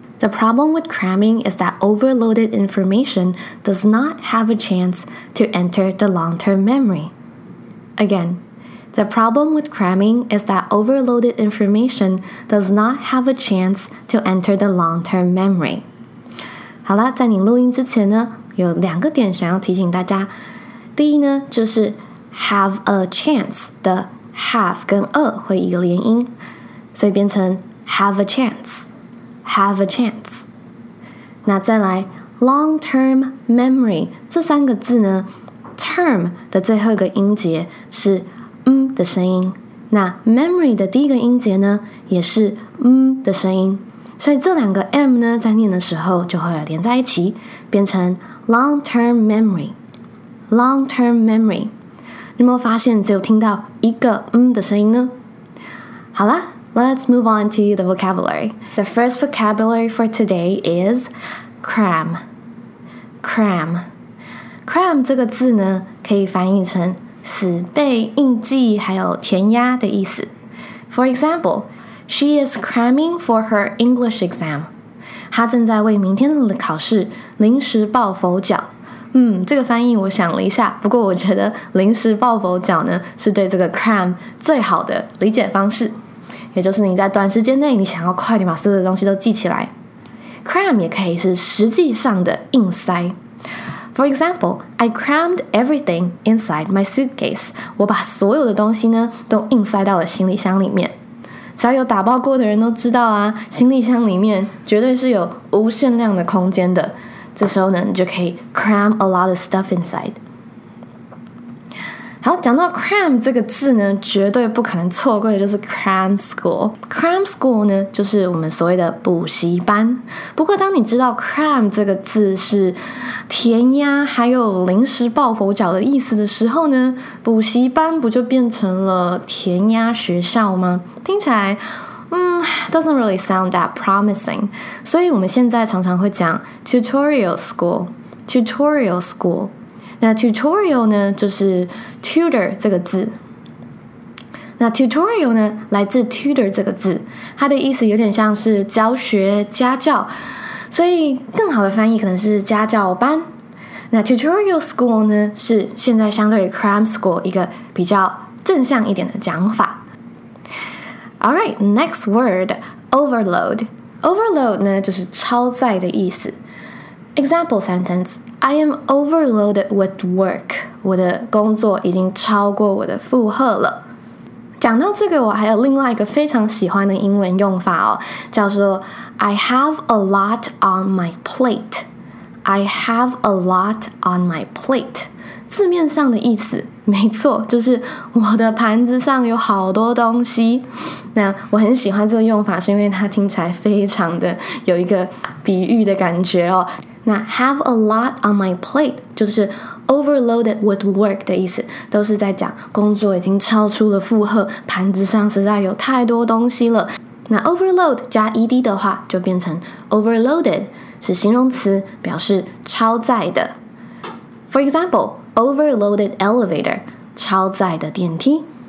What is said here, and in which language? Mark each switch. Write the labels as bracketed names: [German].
[English] The problem with cramming is that overloaded information does not have a chance to enter the long-term memory. Again, the problem with cramming is that overloaded information does not have a chance to enter the long-term memory. [Chinese] 好了，在你录音之前呢，有两个点想要提醒大家。第一呢，就是 have a chance 的 have 跟 a 会一个连音，所以变成 [English] have a chance, have a chance. [Chinese] 那再来 long-term memory 这三个字呢 term 的最后一个音节是嗯的声音，那 memory 的第一个音节呢也是嗯的声音，所以这两个 M 呢在念的时候就会连在一起，变成 [English] long-term memory, long-term memory. [Chinese] 你有没有发现只有听到一个嗯的声音呢？好啦， [English] Let's move on to the vocabulary. The first vocabulary for today is cram. Cram. [Chinese] Cram 这个字呢，可以翻译成死背硬记还有填鸭的意思。 [English] For example, she is cramming for her English exam. [Chinese] 她正在为明天的考试临时抱佛脚。这个翻译我想了一下，不过我觉得临时抱佛脚呢，是对这个 cram 最好的理解方式。也就是你在短时间内你想要快点把所有的东西都记起来。 Cram 也可以是实际上的硬塞。 [English] For example, I crammed everything inside my suitcase. [Chinese] 我把所有的东西呢都硬塞到了行李箱里面。只要有打包过的人都知道啊，行李箱里面绝对是有无限量的空间的。这时候呢，你就可以 [English] cram a lot of stuff inside。 [Chinese] 好，讲到 cram 这个字呢，绝对不可能错过的就是 cram school。 cram school 呢就是我们所谓的补习班，不过当你知道 cram 这个字是填鸭还有临时抱佛脚的意思的时候呢，补习班不就变成了填鸭学校吗？听起来 [English] doesn't really sound that promising。 [Chinese] 所以我们现在常常会讲 tutorial school, tutorial school。那 tutorial 呢就是 tutor 这个字，那 tutorial 呢来自 tutor 这个字，它的意思有点像是教学家教，所以更好的翻译可能是家教班。那 tutorial school 呢是现在相对于 cram school 一个比较正向一点的讲法。 [English] Alright, next word, overload. Overload [Chinese] 呢就是超载的意思。 [English] Example sentenceI am overloaded with work. [Chinese] 我的工作已经超过我的负荷了。讲到这个，我还有另外一个非常喜欢的英文用法哦，叫做 [English] I have a lot on my plate. I have a lot on my plate. [Chinese] 字面上的意思，没错，就是我的盘子上有好多东西。那我很喜欢这个用法，是因为它听起来非常的有一个比喻的感觉哦。那 [English] have a lot on my plate [Chinese] 就是 [English] overloaded with work [Chinese] 的意思，都是在讲工作已经超出了负荷，盘子上实在有太多东西了。那 overload 加 ed 的话就变成 overloaded， 是形容词，表示超载的。 [English] For example, overloaded elevator， [Chinese] 超载的电梯。